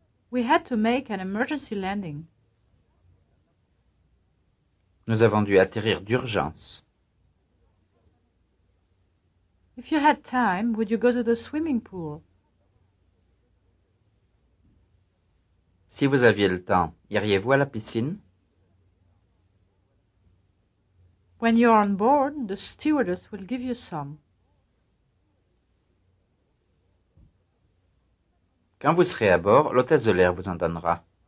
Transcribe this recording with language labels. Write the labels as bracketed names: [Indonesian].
[English] We had to make an emergency landing. [French] Nous avons dû atterrir d'urgence. [English] If you had time, would you go to the swimming pool? [French] Si vous aviez le temps, iriez-vous à la piscine? [English] When you're on board, the stewardess will give you some. [French] Quand vous serez à bord, l'hôtesse de l'air vous en donnera.